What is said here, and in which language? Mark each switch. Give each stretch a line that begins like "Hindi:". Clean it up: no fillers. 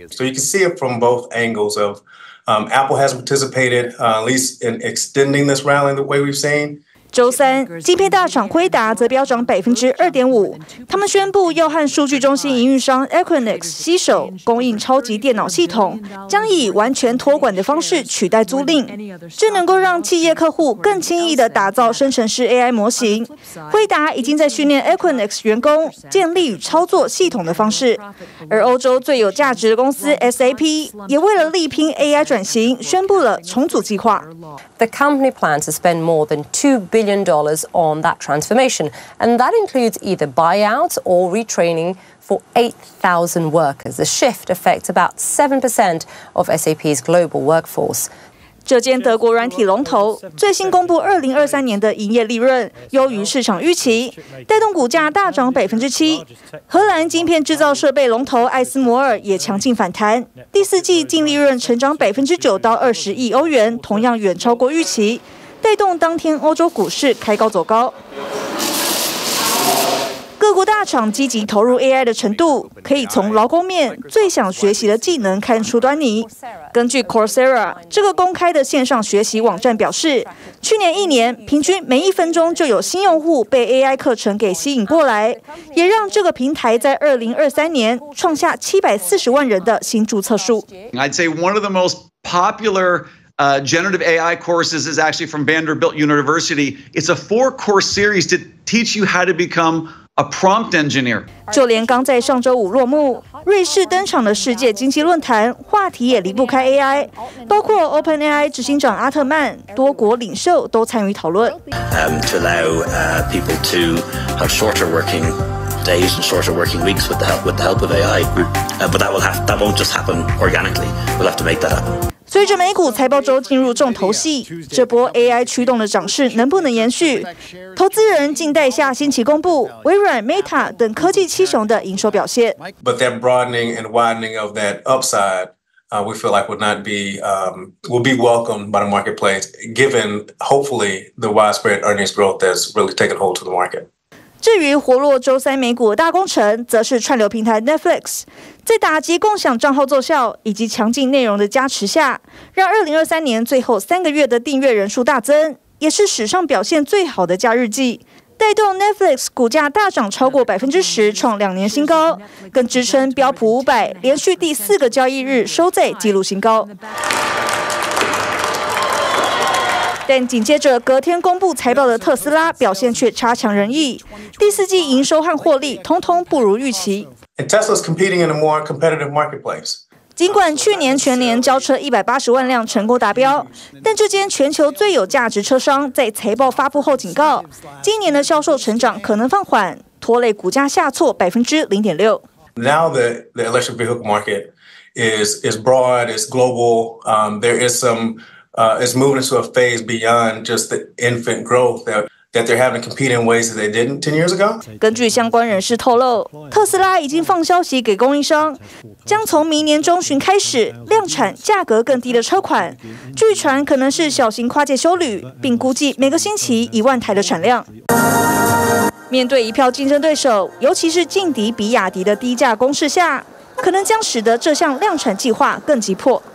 English: So you can see it from both angles of Apple has participated at least in extending this rally the way we've seen.
Chinese: 周三，晶片大厂辉达则飙涨2.5%。他们宣布要和数据中心营运商 Equinix 携手供应超级电脑系统，将以完全托管的方式取代租赁。这能够让企业客户更轻易地打造生成式 AI 模型。辉达已经在训练 Equinix 员工建立与操作系统的方式。而欧洲最有价值的公司 SAP 也为了力拼 AI 转型，宣布了重组计划。
English: The company plans to spend more than $2 billion on that transformation, and that includes either buyouts or retraining for 8,000 workers. The shift affects about 7% of SAP's global workforce.
Chinese: 这间德国软体龙头最新公布2023年的营业利润优于市场预期，带动股价大涨7%。荷兰晶片制造设备龙头艾斯摩尔也强劲反弹，第四季净利润成长9%到20亿欧元，同样远超过预期，带动当天欧洲股市开高走高。各国大厂积极投入 AI 的程度，可以从劳工面最想学习的技能看出端倪。根据 Coursera 这个公开的线上学习网站表示，去年一年平均每一分钟就有新用户被 AI 课程给吸引过来，也让这个平台在2023年创下7,400,000人的新注册数。
English: I'd say one of the most popular generative AI courses is actually from Vanderbilt University. It's a 4-course series to teach you how to become a prompt engineer.
Chinese: 就连刚在上周五落幕，瑞士登场的世界经济论坛话题也离不开 AI， 包括 OpenAI 执行长阿特曼，多国领袖都参与讨论。
English: To allow people to have shorter working days and shorter working weeks with the help of AI, but that won't just happen organically. We'll have to make that happen.
Chinese: 随着美股财报周进入重头戏，这波 AI 驱动的涨势能不能延续？投资人静待下星期公布微软、Meta 等科技七雄的营收表现。
English: But that broadening and widening of that upside, we feel like would not be will be welcomed by the marketplace, given hopefully the widespread earnings growth that's really taken hold to the market.
Chinese: 至于活络周三美股的大功臣，则是串流平台 Netflix， 在打击共享账号奏效以及强劲内容的加持下，让2023年最后三个月的订阅人数大增，也是史上表现最好的假日季，带动 Netflix 股价大涨超过10%，创两年新高，更支撑标普500连续第四个交易日收在纪录新高。但紧接着隔天公布财报的特斯拉表现却差强人意，第四季营收和获利通通不如预期。
English: Tesla's competing in a more competitive marketplace.
Chinese: 尽管去年全年交车1,800,000辆成功达标，但这间全球最有价值车商在财报发布后警告，今年的销售成长可能放缓，拖累股价下挫0.6%。
English: Now the electric vehicle market is broad, it's global. There is some. It's moving into a phase beyond just the infant growth that they're having to compete in ways that they didn't 10 years ago.
Chinese: 根据相关人士透露，特斯拉已经放消息给供应商，将从明年中旬开始量产价格更低的车款，据传可能是小型跨界休旅，并估计每个星期10,000台的产量。面对一票竞争对手，尤其是劲敌比亚迪的低价攻势下，可能将使得这项量产计划更急迫。